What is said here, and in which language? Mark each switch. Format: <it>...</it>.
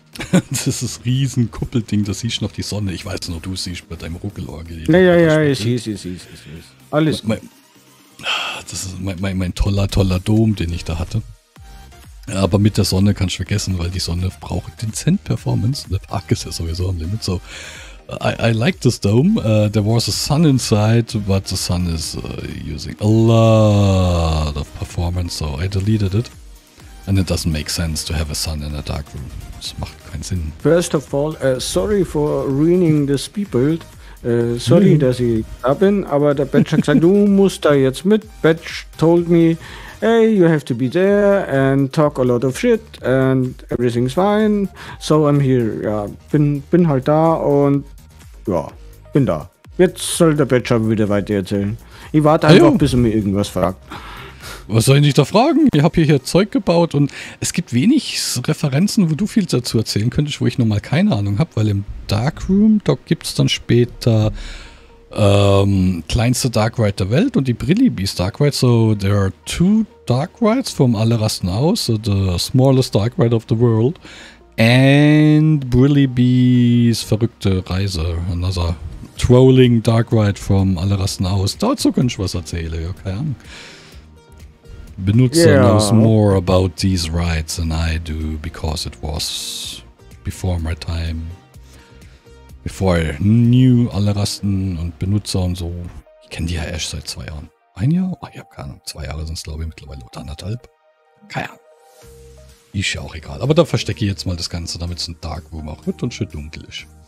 <de>Das ist das riesen Kuppelding, da siehst du noch die Sonne. Ich weiß nur, du siehst bei deinem Ruckelorgel. Ja, ich sehe. Alles gut. Das ist mein toller Dom, den ich da hatte. Aber mit der Sonne kannst du vergessen, weil die Sonne braucht dezent Performance. Der Park ist ja sowieso am Limit.</de> <en>So, I like this dome. There was a sun inside, but the sun is using a lot of performance, so I deleted it. And it doesn't make sense to have a sun in a dark room.</en> <de>Das macht keinen Sinn.</de> <en>First of all, sorry for ruining the speed build.</en> <de>Sorry, dass ich da bin, aber der Batch hat gesagt, du musst da jetzt mit.</de> <en>Batch told me, hey, you have to be there and talk a lot of shit and everything's fine. So I'm here,</en> <de>ja, bin halt da und ja, bin da. Jetzt soll der Batch aber wieder weiter erzählen. Ich warte einfach, bis er mir irgendwas fragt. Was soll ich dich da fragen? Ich habe hier Zeug gebaut und es gibt wenig Referenzen, wo du viel dazu erzählen könntest, wo ich nochmal keine Ahnung habe, weil im Darkroom, da gibt es dann später kleinste Dark Ride der Welt und die Brillibis Dark Ride.</de> <en>So there are two Dark Rides from alle Rassen aus, so the smallest Dark Ride of the world and Brillibis verrückte Reise, another trolling Dark Ride from alle Rassen aus. Dazu könntest du was erzählen, ja, keine Ahnung. Benutzer knows more about these rides than I do, because it was before my time. Before I knew alle Rassen und Benutzer und so.</en> <de>Ich kenne die ja erst seit 2 Jahren. Ein Jahr? Oh, ich habe keine Ahnung. 2 Jahre sind es, glaube ich, mittlerweile oder anderthalb. Keine Ahnung. Ist ja auch egal. Aber da verstecke ich jetzt mal das Ganze, damit es ein Dark Room auch wird und schön dunkel ist.</de>